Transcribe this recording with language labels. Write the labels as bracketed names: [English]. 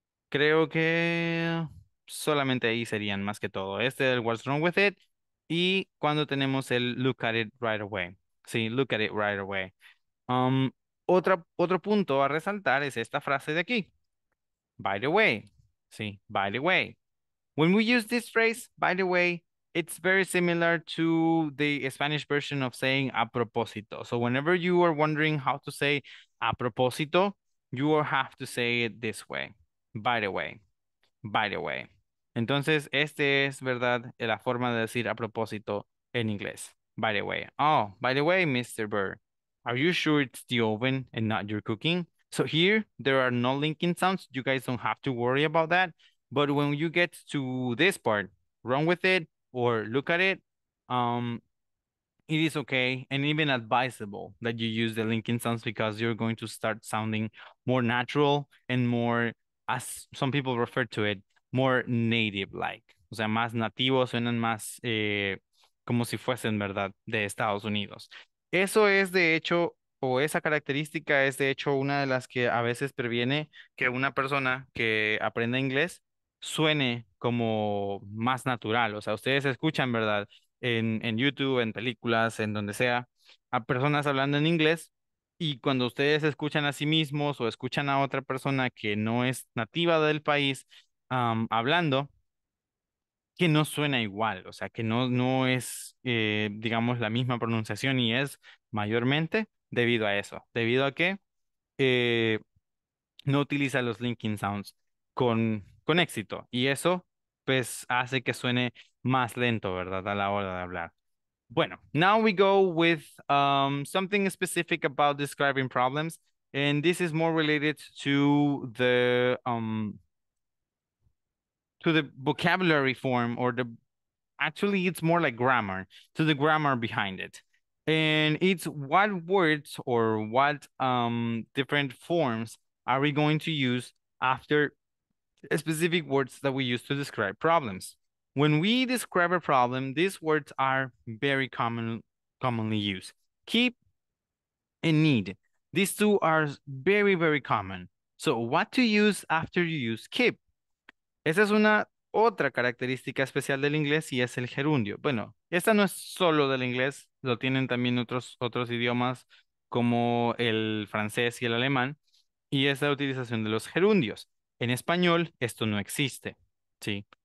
[Spanish] Creo que solamente ahí serían más que todo. Este del [English] what's wrong with it [Spanish] y cuando tenemos el [English] look at it right away. [Spanish] Sí, [English] look at it right away. [Spanish] Otro punto a resaltar es esta frase de aquí. [English] By the way, sí, by the way. When we use this phrase, by the way, it's very similar to the Spanish version of saying a propósito. So whenever you are wondering how to say a propósito, you will have to say it this way. By the way, by the way. [Spanish] Entonces, este es, ¿verdad?, la forma de decir a propósito en inglés. [English] By the way. Oh, by the way, Mr. Burr, are you sure it's the oven and not your cooking? So here, there are no linking sounds. You guys don't have to worry about that. But when you get to this part, run with it or look at it, it is okay and even advisable that you use the linking sounds because you're going to start sounding more natural and more, as some people refer to it, more native-like. [Spanish] O sea, más nativos, suenan más como si fuesen, ¿verdad?, de Estados Unidos. Eso es, de hecho, o esa característica es, de hecho, una de las que a veces previene que una persona que aprenda inglés suene como más natural. O sea, ustedes escuchan, ¿verdad?, en YouTube, en películas, en donde sea, a personas hablando en inglés, y cuando ustedes escuchan a sí mismos o escuchan a otra persona que no es nativa del país hablando, que no suena igual, o sea, que no es, digamos, la misma pronunciación, y es mayormente debido a eso, debido a que no utiliza los linking sounds con éxito, y eso pues hace que suene más lento, ¿verdad?, a la hora de hablar. [English] Bueno, now we go with something specific about describing problems, and this is more related to the vocabulary form, or the, actually it's more like grammar, to the grammar behind it. And it's what words or what different forms are we going to use after specific words that we use to describe problems. When we describe a problem, these words are very commonly used. Keep and need. These two are very, very common. So what to use after you use keep? [Spanish] Esa es una otra característica especial del inglés, y es el gerundio. Bueno, esta no es solo del inglés. Lo tienen también otros idiomas como el francés y el alemán. Y es la utilización de los gerundios. En español, esto no existe, ¿sí?